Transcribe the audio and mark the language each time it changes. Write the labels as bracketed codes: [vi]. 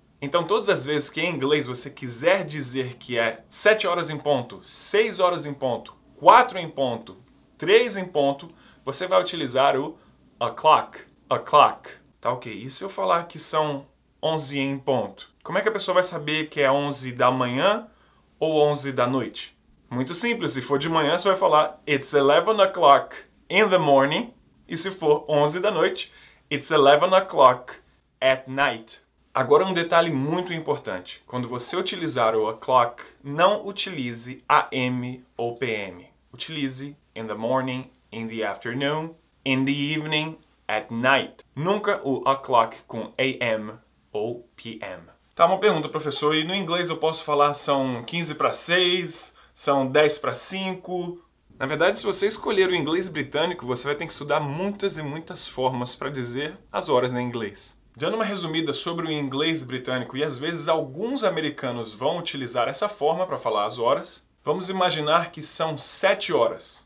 [pt] Então, todas as vezes que em inglês você quiser dizer que é 7 horas em ponto, 6 horas em ponto, 4 em ponto, 3 em ponto, você vai utilizar o o'clock. O'clock. Tá ok. E se eu falar que são 11 em ponto? Como é que a pessoa vai saber que é 11 da manhã ou 11 da noite? Muito simples. Se for de manhã, você vai falar [en] it's 11 o'clock in the morning. [pt] E se for 11 da noite, [en] it's 11 o'clock at night. [pt] Agora um detalhe muito importante. Quando você utilizar o o'clock, não utilize AM ou PM. [en] Utilize in the morning, in the afternoon, in the evening, at night. [pt] Nunca o o'clock com AM ou PM. Tá, uma pergunta, professor. E no inglês eu posso falar são 15 para 6, são 10 para 5? Na verdade, se você escolher o inglês britânico, você vai ter que estudar muitas e muitas formas para dizer as horas em inglês. Dando uma resumida sobre o inglês britânico, e às vezes alguns americanos vão utilizar essa forma para falar as horas, vamos imaginar que são 7 horas.